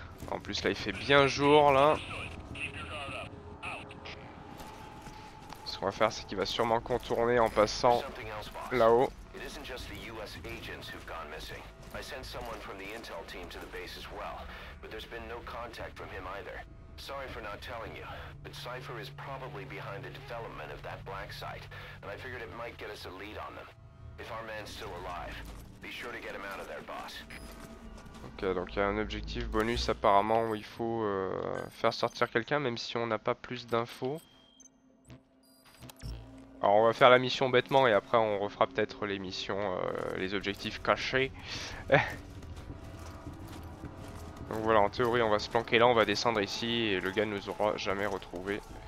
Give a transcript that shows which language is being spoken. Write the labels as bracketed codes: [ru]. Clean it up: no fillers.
[fr] En plus là, il fait bien jour là. Ce qu'on va faire, c'est qu'il va sûrement contourner en passant là-haut. [en] It isn't just the US agents who've gone missing. I sent someone from the intel team to the base as well, but there's been no contact from him either. Sorry for not telling you, but Cypher is probably behind the development of that black site, and I figured it might get us a lead on them. If our man's still alive, be sure to get him out of there, boss. [fr] Ok, donc il y a un objectif bonus apparemment où il faut faire sortir quelqu'un, même si on n'a pas plus d'infos. Alors on va faire la mission bêtement et après on refera peut-être les missions, les objectifs cachés. Donc voilà, en théorie on va se planquer là, on va descendre ici et le gars ne nous aura jamais retrouvé.